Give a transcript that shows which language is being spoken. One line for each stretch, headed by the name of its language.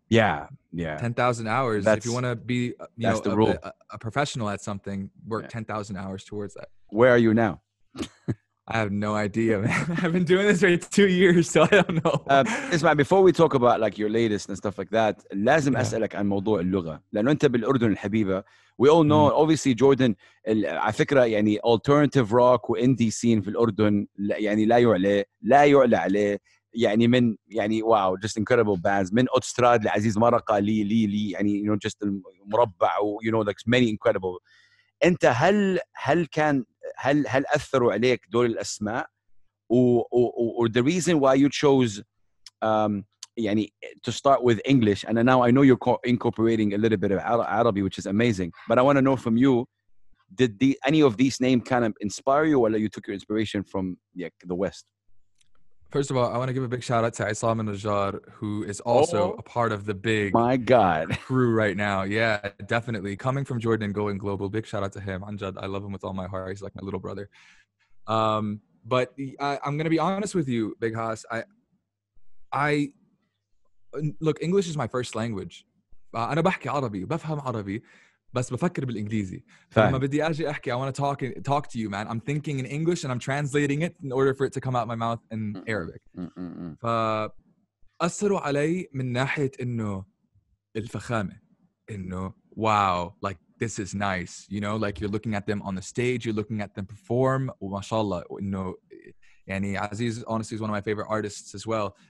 English: Yeah. Yeah. 10,000 hours. That's, if you want to be a professional at something, work 10,000 hours towards that. Where are you now? I have no idea, man. I've been doing this for 2 years, so I don't know. Before we talk about like your latest and stuff like that,
Arabic: لازم أسألك عن موضوع اللغة. لأنه أنت بالأردن الحبيبة.
English: We all know, obviously, Jordan.
Arabic: على فكرة يعني alternative rock وindie scene في الأردن يعني لا يعلى عليه. يعني من يعني
English: wow, just incredible bands.
Arabic: من أوتستراد لعزيز مرقة لي.
English: يعني just المربع you know like many incredible.
Arabic: أنت هل كان هل أثروا عليك دول الأسماء
English: or the reason why you chose يعني to start with English, and now I know you're incorporating a little bit of Arabic, which is amazing, but I want to know from you, did any of these names kind of inspire you, or you took your inspiration from the West? First of all, I want to give a big shout out to Isam and Najjar, who is also a part of the big my God crew right now. Yeah, definitely. Coming from Jordan and going global, big shout out to him. Anjad, I love him with all my heart. He's like my little brother. But I'm going to be honest with you, Big Haas. Look, English is my first language.
Arabic: أنا بحكي عربي, بفهم عربي, بس بفكر بالإنجليزي. فما بدي أجي أحكي,
English: I want to talk to you, man. I'm thinking in English and I'm translating it in order for it to come out my mouth in Arabic.
Arabic: فأثروا علي من ناحية إنه الفخامة, إنه
English: wow, like this is nice, you know, like you're looking at them on the stage, you're looking at them perform,
Arabic: ومشالله, إنه يعني
English: Aziz honestly is one of my favorite artists as well.